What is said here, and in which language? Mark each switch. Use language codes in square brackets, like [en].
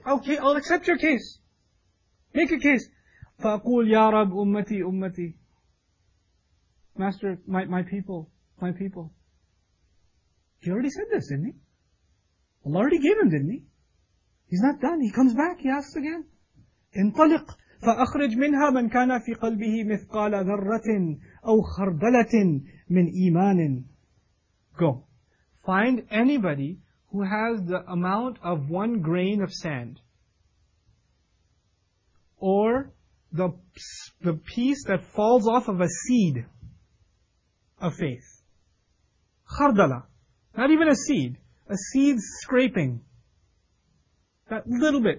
[en] Okay, I'll accept your case. Make a case. [ar] فَأَقُولْ يَا رَبْ أُمَّتِي أُمَّتِي. [en] Master, my people. He already said this, didn't he? Allah already gave him, didn't he? He's not done. He comes back, he asks again. [ar] انطلق فأخرج منها من كان في قلبه مثقال ذرة أو خردلة من إيمان. [en] Go. Find anybody who has the amount of one grain of sand. Or the piece that falls off of a seed of faith. Khardala. Not even a seed. A seed scraping. That little bit.